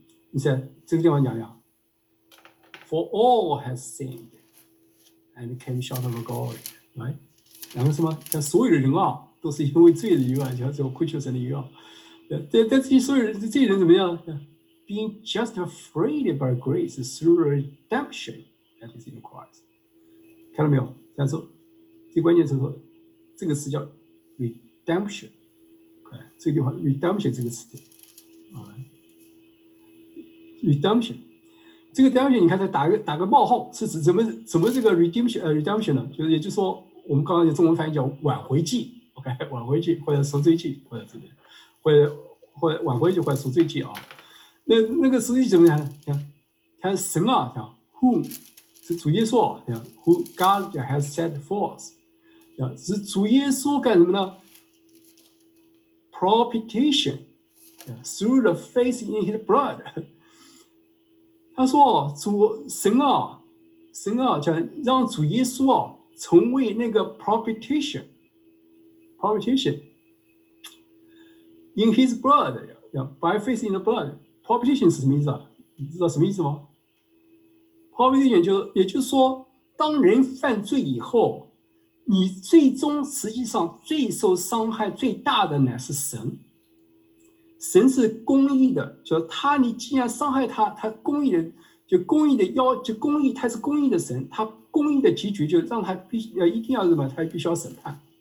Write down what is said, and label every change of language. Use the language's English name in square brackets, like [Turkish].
[Chinese] 你在这个地方讲讲 ， [English] For all has sinned and came short of glory， right？ [Chinese] 然后什么？像所有的人啊，都是因为罪的缘故，就要亏缺神的缘故。但这些所有人，这些人怎么样 ？ [English] Being justified by grace through redemption that is in Christ， [Chinese] 看到没有？像说，最关键是说，这个词叫 redemption， 哎，这个地方 redemption 这个词，redemption， 这个 redemption 你看它打个冒号，是指怎么这个 redemption 呢？就是也就是说，我们刚刚的中文翻译叫挽回祭 ，OK， 挽回祭或者赎罪祭，或者这边，或者挽回祭或者赎罪祭啊。那个实际怎么样？看神啊，讲 whom 是主耶稣，讲 [English] who God has set forth， [Chinese] 讲是主耶稣干什么呢 ？ [English] Propitiation through the faith in His blood。 [Chinese] 他说主神啊，神啊，叫让主耶稣啊成为那个 [English] propitiation in his blood， by faith in the blood。 [Chinese] propitiation 是什么意思啊？你知道什么意思吗？propitiation 也就是说当人犯罪以后，你最终实际上最受伤害最大的乃是神。神是公义的，就是他，你既然伤害他，他公义的，就公义的要，就公义，他是公义的神，他公义的结局就让他必须一定要什么，他必须要审判。